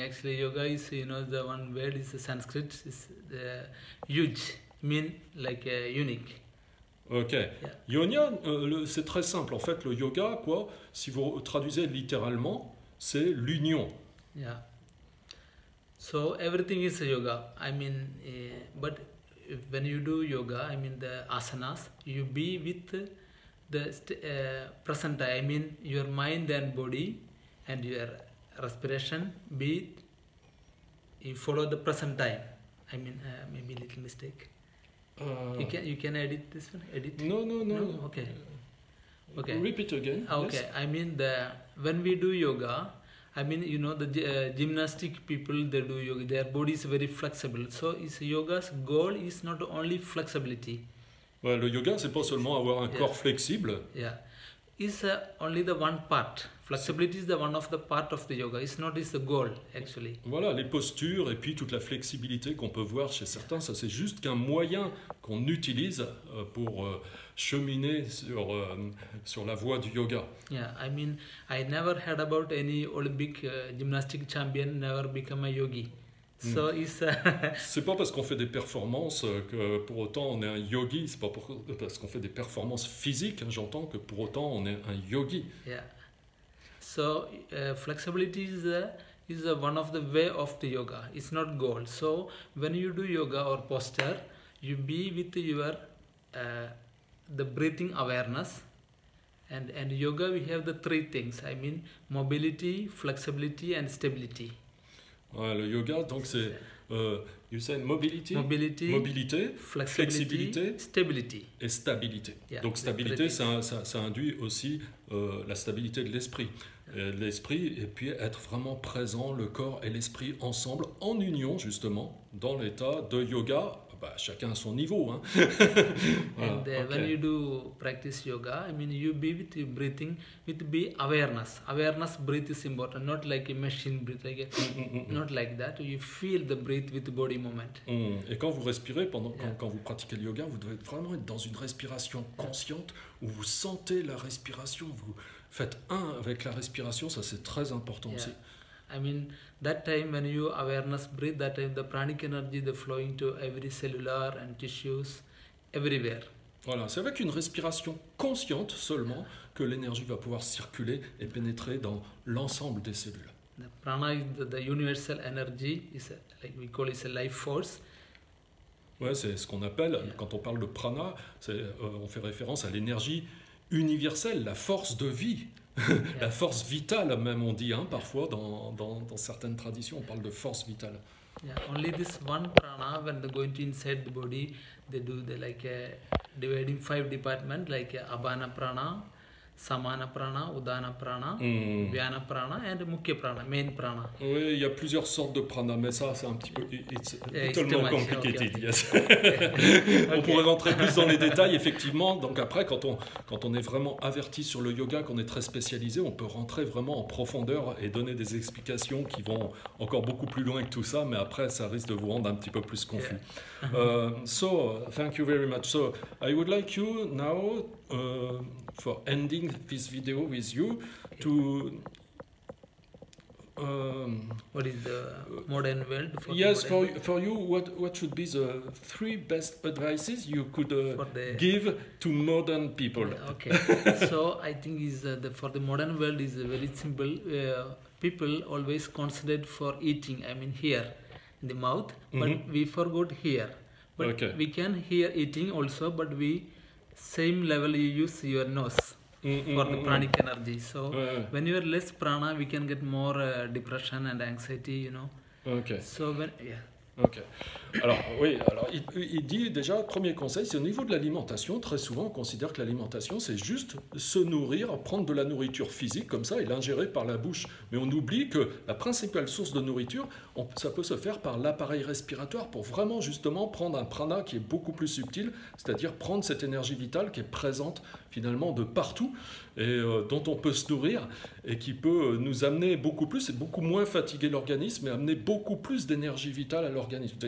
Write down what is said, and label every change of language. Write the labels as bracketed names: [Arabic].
[English] Actually, yoga is, the one word is the Sanskrit, is the huge, mean like unique. [French] Ok, yoga, c'est très simple. En fait, le yoga, quoi, si vous traduisez littéralement, c'est l'union. [English] So everything is yoga. But when you do yoga, the asanas, you be with the present, your mind and body and your respiration be, you follow the present time. Maybe little mistake. You can edit this one, edit. No, no, No, no. okay. Repeat again, yes. Okay, when we do yoga, the gymnastic people, they do yoga, their body is very flexible. So it's yoga's goal is not only flexibility. [French] Ouais, le yoga, c'est pas seulement avoir un corps flexible. [English] It's only the one part. Flexibility is the one of the part of the yoga. It's the goal, actually. [French] Voilà, les postures et puis toute la flexibilité qu'on peut voir chez certains, ça c'est juste qu'un moyen qu'on utilise pour cheminer sur la voie du yoga. [English] I never heard about any Olympic gymnastic champion never become a yogi. So it's [French] C'est pas parce qu'on fait des performances que pour autant on est un yogi, c'est pas parce qu'on fait des performances physiques, hein, j'entends, que pour autant on est un yogi. [English] So flexibility is one of the way of the yoga. It's not goal. So when you do yoga or posture, you be with your the breathing awareness. And yoga, we have the three things. Mobility, flexibility, and stability. [French] Ouais, le yoga, donc c'est, [English] you said mobility, Mobility, [French] mobilité, [English] flexibility, [French] flexibilité [English] stability. [French] et stabilité. Donc [English] The three [French] stabilité, [English] things. [French] ça induit aussi la stabilité de l'esprit. L'esprit, et puis être vraiment présent, le corps et l'esprit ensemble, en union justement, dans l'état de yoga. Bah, chacun à son niveau, hein. [English] And [French] Voilà, ok. [English] when you do practice yoga, you be with your breathing, with be awareness. Awareness breath is important, not like a machine breath, not like that. You feel the breath with the body movement. [French] Et quand vous respirez, quand vous pratiquez le yoga, vous devez vraiment être dans une respiration consciente où vous sentez la respiration, vous faites un avec la respiration, ça c'est très important aussi. [English] That time when you awareness breathe, that time the pranic energy the flowing to every cellular and tissues everywhere. [French] Voilà, c'est avec une respiration consciente seulement que l'énergie va pouvoir circuler et pénétrer dans l'ensemble des cellules. [English] The prana is the universal energy is like we call it a life force. [French] Ouais, c'est ce qu'on appelle, quand on parle de prana, on fait référence à l'énergie universelle, la force de vie, la force vitale même, on dit, hein, parfois dans certaines traditions, on parle de force vitale. [English] Only this one prana when they're going to inside the body, they do the like dividing five department like abhana prana, samana prana, udana prana, vyana prana and mukhya prana, main prana. [French] Oui, il y a plusieurs sortes de prana, mais ça, c'est un petit peu, [English] it's too [French] totalement [English] much. complicated. [French] On pourrait rentrer plus dans les détails, effectivement. Donc après, quand on est vraiment averti sur le yoga, qu'on est très spécialisé, on peut rentrer vraiment en profondeur et donner des explications qui vont encore beaucoup plus loin que tout ça, mais après, ça risque de vous rendre un petit peu plus confus. [English] Thank you very much. So, I would like you now, for ending this video with you, to What is the modern world for Yes, the for you, what should be the three best advices you could for the, give to modern people? Okay, so I think is the for the modern world is very simple. People always concentrate for eating. I mean here, in the mouth, but mm-hmm. we forgot here. But okay. we can hear eating also, but we same level you use your nose. For the pranic energy. So when you are less prana, we can get more depression and anxiety, you know. Okay. So when, yeah. Okay. [French] Alors, oui, alors il dit déjà, premier conseil, c'est au niveau de l'alimentation. Très souvent, on considère que l'alimentation, c'est juste se nourrir, prendre de la nourriture physique comme ça et l'ingérer par la bouche. Mais on oublie que la principale source de nourriture, ça peut se faire par l'appareil respiratoire pour vraiment justement prendre un prana qui est beaucoup plus subtil, c'est-à-dire prendre cette énergie vitale qui est présente finalement de partout et dont on peut se nourrir et qui peut nous amener beaucoup plus et beaucoup moins fatiguer l'organisme et amener beaucoup plus d'énergie vitale à l'organisme.